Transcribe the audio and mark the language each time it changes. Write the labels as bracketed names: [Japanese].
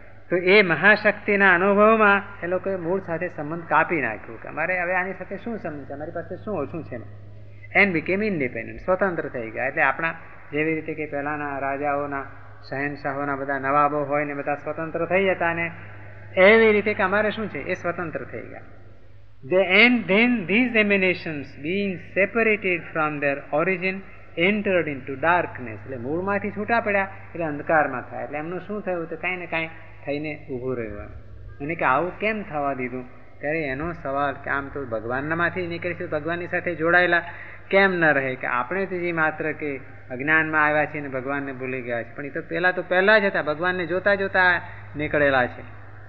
[Gujarati] તો એ મહાશક્તિના અનુભવમાં એ લોકોએ મૂળ સાથે સંબંધ કાપી નાખ્યો કે અમારે હવે આની સાથે શું સંબંધ છે, મારી પાસે શું ઓછું છે એમાં. [English] and became independent, [Gujarati] સ્વતંત્ર થઈ ગયા. એટલે આપણા જેવી રીતે કે પહેલાંના રાજાઓના શહેનશાહોના બધા નવાબો હોય ને બધા સ્વતંત્ર થઈ જતા, ને એવી રીતે કે અમારે શું છે એ સ્વતંત્ર થઈ ગયા. [English] The end then these emanations being separated from their origin entered into darkness. [Gujarati] એટલે મૂળમાંથી છૂટા પડ્યા એટલે અંધકારમાં થયા, એટલે એમનું શું થયું, તો કાંઈ ને કાંઈ થઈને ઊભું રહ્યું. અને કે આવું કેમ થવા દીધું, ત્યારે એનો સવાલ કે આમ તો ભગવાનમાંથી નીકળીશું, ભગવાનની સાથે જોડાયેલા કેમ ન રહે, કે આપણે તો જે માત્ર કે અજ્ઞાનમાં આવ્યા છીએ ને ભગવાનને ભૂલી ગયા છે, પણ એ તો પહેલાં જ હતા, ભગવાનને જોતા જોતા નીકળેલા છે.